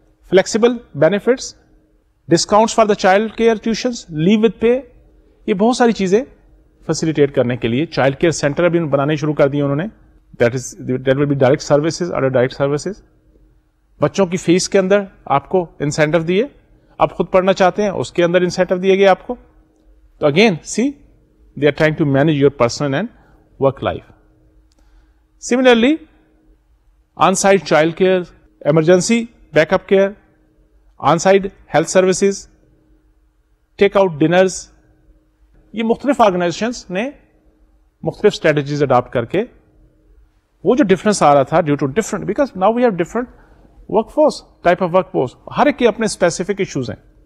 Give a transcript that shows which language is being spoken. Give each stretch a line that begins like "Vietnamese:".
English: flexible benefits, discounts for the child care, tuitions, leave with pay,
Urdu: یہ بہت ساری چیزیں فیسلیٹیٹ کرنے کے لیے. چائلڈ کیئر سینٹر بھی بنانے شروع کر دیے انہوں نے,
English: that will be direct services,
Urdu: اور ڈائریکٹ سروسز بچوں کی فیس کے اندر آپ کو انسینٹو دیے, آپ خود پڑھنا چاہتے ہیں اس کے اندر انسینٹو دیے گئے آپ کو.
English: تو again see they are trying to manage your personal and work life. Similarly on site child care, emergency backup care, on site health services, take out dinners,
Urdu: یہ مختلف آرگنائزیشنس نے مختلف اسٹریٹجیز اڈاپٹ کر کے وہ جو difference آ رہا تھا
English: due to different, because now we have different workforce, type of workforce,
Urdu: ہر ایک کے اپنے اسپیسیفک ایشوز ہیں.